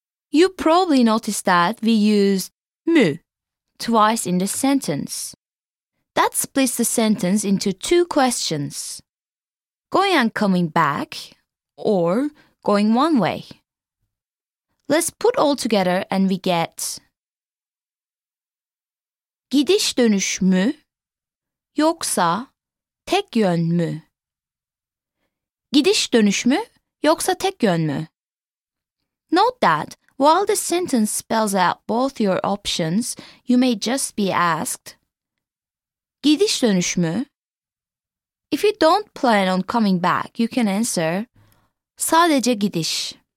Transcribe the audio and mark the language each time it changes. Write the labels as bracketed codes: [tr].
[en] You probably noticed that we used mü twice in the sentence. That splits the sentence into two questions. Going and coming back or going one way. Let's put all together and we get [tr] gidiş dönüş mü yoksa tek yön mü? Gidiş dönüş mü yoksa tek yön mü? [en] Note that while the sentence spells out both your options, you may just be asked, [tr] gidiş dönüş mü? [en] If you don't plan on coming back, you can answer [tr] sadece gidiş.